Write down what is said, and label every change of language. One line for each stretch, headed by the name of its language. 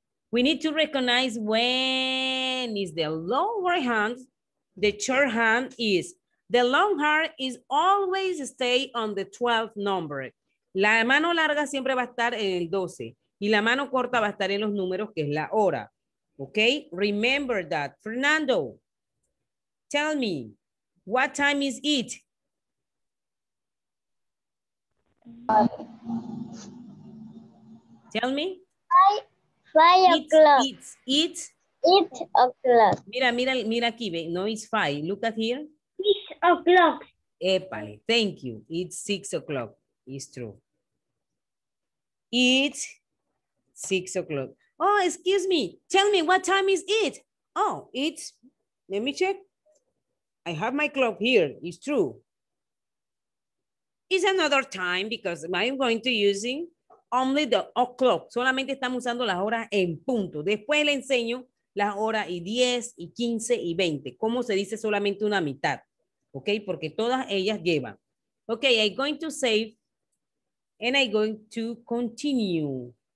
English: We need to recognize when is the lower hand, the short hand is. The long hand is always stay on the 12th number.
Spanish: La mano larga siempre va a estar en el 12 y la mano corta va a estar en los números que es la hora.
English: Okay, remember that. Fernando, tell me, what time is it? 5. Tell me. 5 o'clock. It's 8 o'clock.
Spanish: Mira, mira, mira aquí, ve.
English: No, it's 5. Look at here. 6 o'clock. Epale, thank you. It's 6 o'clock. It's true. It's 6 o'clock. Oh, excuse me. Tell me, what time is it? Oh, it's, let me check. I have my clock here. It's true. It's another time because I'm going to using only the o'clock.
Spanish: Solamente estamos usando las horas en punto. Después le enseño las horas y 10 y 15 y 20. ¿Cómo se dice solamente una mitad? Ok, porque todas ellas llevan.
English: Ok, I'm going to save and I'm going to continue.